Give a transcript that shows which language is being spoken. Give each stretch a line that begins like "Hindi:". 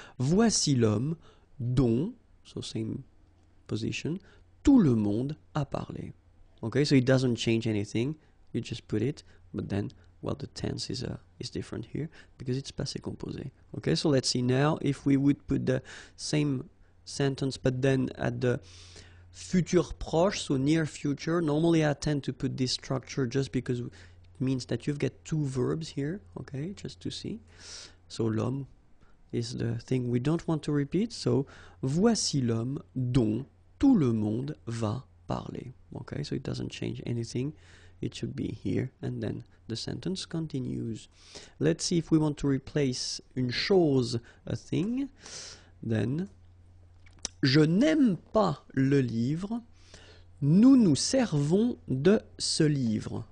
French: Voici l'homme, dont,
English: so same position,
French: tout le monde a parlé.
English: Okay, so it doesn't change anything, you just put it, but then, well, the tense is different here, because it's passé composé. Okay, so let's see now if we would put the same sentence, but then at the futur proche, so near future. Normally, I tend to put this structure just because it means that you've got two verbs here, okay, just to see. So l'homme is the thing we don't want to repeat.
French: So voici l'homme dont tout le monde va parler.
English: Okay, so it doesn't change anything. It should be here, and then the sentence continues. Let's see if we want to replace une chose, a thing, then.
French: Je n'aime pas le livre. Nous nous servons de ce livre.